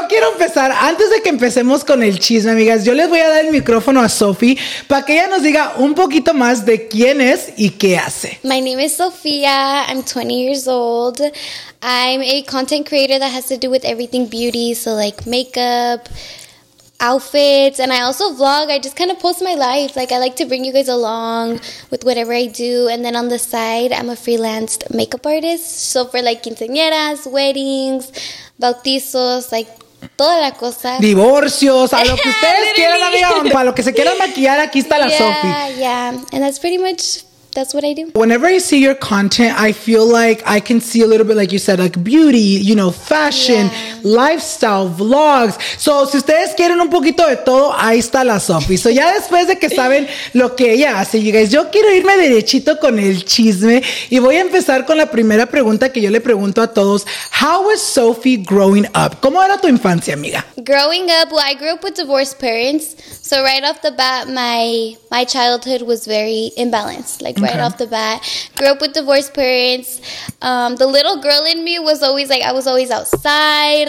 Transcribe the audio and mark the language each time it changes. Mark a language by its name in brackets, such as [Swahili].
[Spanish] Yo quiero empezar, antes de que empecemos con el chisme, amigas, yo les voy a dar el micrófono a Sofi para que ella nos diga un poquito más de quién es y qué hace. [English] My name is Sofía. I'm 20 years old. I'm a content creator that has to do with everything beauty, so like makeup, outfits, and I also vlog. I just kind of post my life. Like, I like to bring you guys along with whatever I do. And then on the side, I'm a freelance makeup artist. So for like quinceañeras, weddings, bautizos, like [Spanish] toda la cosa. Divorcios, a lo que ustedes quieran, amiga, para lo que se quieran maquillar, aquí está la Sofi. [English] Yeah, and that's pretty much... That's what I do. Whenever I see your content, I feel like I can see a little bit, like you said, like beauty, you know, fashion, lifestyle, vlogs. [Spanish] So, si ustedes quieren un poquito de todo, ahí está la Sofi. So, ya después de que saben lo que ella hace, [English] you guys, [Spanish] yo quiero irme derechito con el chisme. Y voy a empezar con la primera pregunta que yo le pregunto a todos. [English] How was Sofi growing up? [Spanish] ¿Cómo era tu infancia, amiga? [English] Growing up, well, I grew up with divorced parents. So, right off the bat, my childhood was very imbalanced. Like, right off the bat, grew up with divorced parents. The little girl in me was always like, I was always outside.